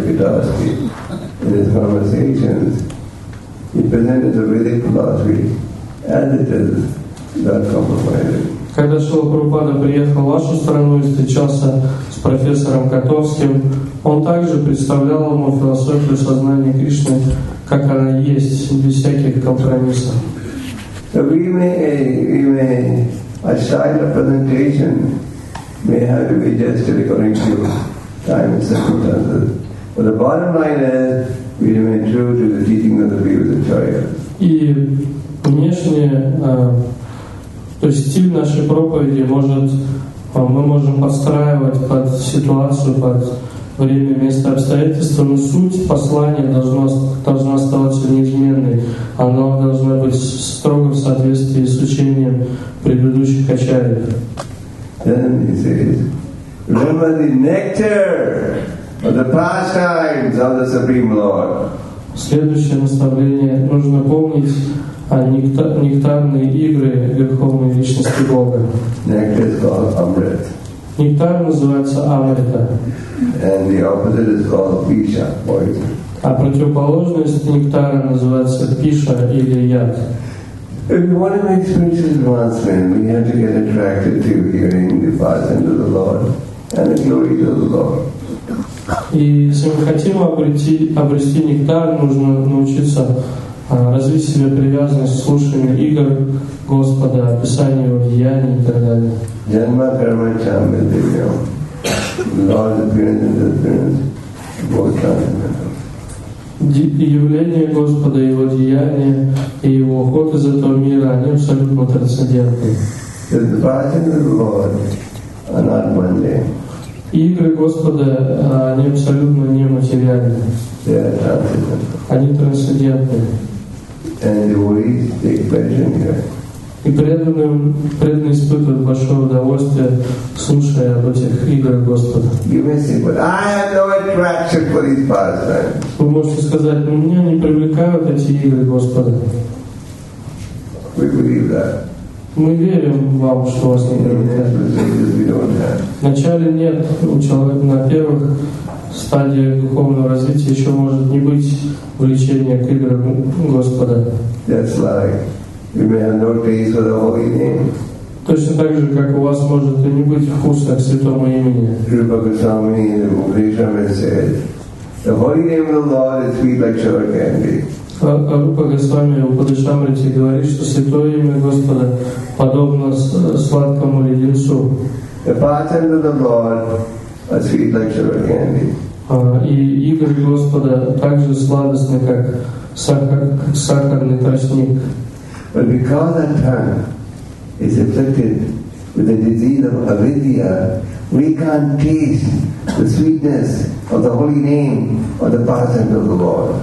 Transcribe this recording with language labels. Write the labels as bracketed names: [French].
[English] Kedarsky, in his conversations, he presented the Vedic philosophy as it is, not compromising. [Russian] Когда Шрила Прабхупада приехал в вашу страну и встречался с профессором Котовским, он также представлял ему философию сознания Кришны, как она есть, без всяких компромиссов. [English] So we may, a side of presentation may have to be adjusted according to time and circumstances. But the bottom line is, we remain true to the teaching of the Vedic Acharya. [Russian] То есть стиль нашей проповеди мы можем подстраивать под ситуацию, под время, место, обстоятельства, но суть послания должна оставаться неизменной. Она должна быть строго в соответствии с учением предыдущих ачарьев. [English] Then he says, remember the nectar of the pastimes of the Supreme Lord. [Russian] Следующее наставление. Нужно помнить о нектарные игры Верховной Личности Бога. [English] Nectar is called Amrit. [Russian] Нектар называется Амрита. [English] And the opposite is called Pisha, poison. [Russian] А противоположность нектара называется Пиша или яд. [English] If you want to make spiritual advancement, we have to get attracted to hearing the pastimes of the Lord and the glory of the Lord. [Russian] И если мы хотим обрести нектар, нужно научиться развить себе привязанность к слушанию игр Господа, описанию Его деяний и так далее. [Sanskrit] Janma karma chamba divyam. [English] Lord appearance and disappearance both time and time. [Russian] Явление Господа, Его деяния и Его уход из этого мира, они абсолютно трансцендентны. [English] The departing of the Lord are not mundane. [Russian] Игры Господа, они абсолютно не материальны. [English] They are transcendental. [Russian] Они трансцендентны. [English] And the devotees take pleasure in hearing. [Russian] И преданные испытывают большое удовольствие, слушая об этих играх Господа. [English] You may say, but I have no attraction for these pastimes. [Russian] Вы можете сказать, но меня не привлекают эти игры Господа. [English] We believe that. [Russian] Мы верим вам, что у вас не привлекают. Вначале нет, у человека на первых стадиях духовного развития еще может не быть влечения к играм Господа. [English] That's like, you may have no taste for the holy name. [Russian] Точно так же, как у вас может и не быть вкуса к святому имени. [English] Rupa Goswami Upadeshama said, the holy name of the Lord is sweet like sugar candy. [Russian] Рупа Госвами Упадешамрити говорит, что святое имя Господа подобно сладкому леденцу. [English] The pastimes of the Lord are sweet like sugar candy. [Russian] И игры Господа также сладостны, как сахарный тростник. [English] But because that tongue is afflicted with the disease of avidya, we can't taste the sweetness of the holy name or the pastimes of the Lord.